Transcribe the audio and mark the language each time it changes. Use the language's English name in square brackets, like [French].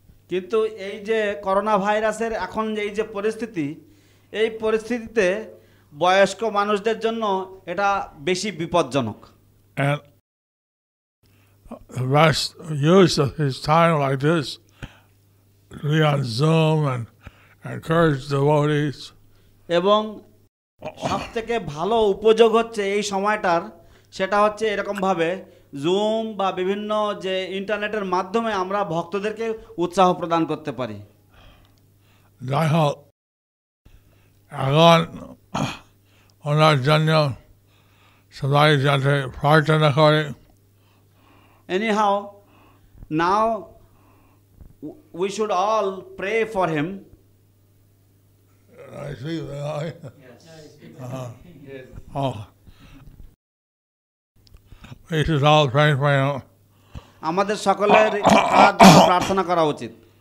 [Bangla] কিন্তু এই যে করোনা ভাইরাসের এখন যে এই যে পরিস্থিতি এই পরিস্থিতিতে বয়স্ক মানুষদের জন্য এটা বেশি বিপদজনক [English] And the best use of his time like this be on Zoom and encourage devotees [Bangla] এবং সবথেকে ভালো উপযোগ হচ্ছে এই সময়টার সেটা হচ্ছে এরকম ভাবে Zoom বা বিভিন্ন যে ইন্টারনেটের মাধ্যমে আমরা ভক্তদেরকে উৎসাহ প্রদান করতে পারি যাই হোক এখন ওনার জন্য সবাই যাতে প্রার্থনা করে [English] Anyhow, now we should all pray for him. I see. Yes. We should all pray for him. [Bangla] আমাদের সকলের জন্য প্রার্থনা করা উচিত.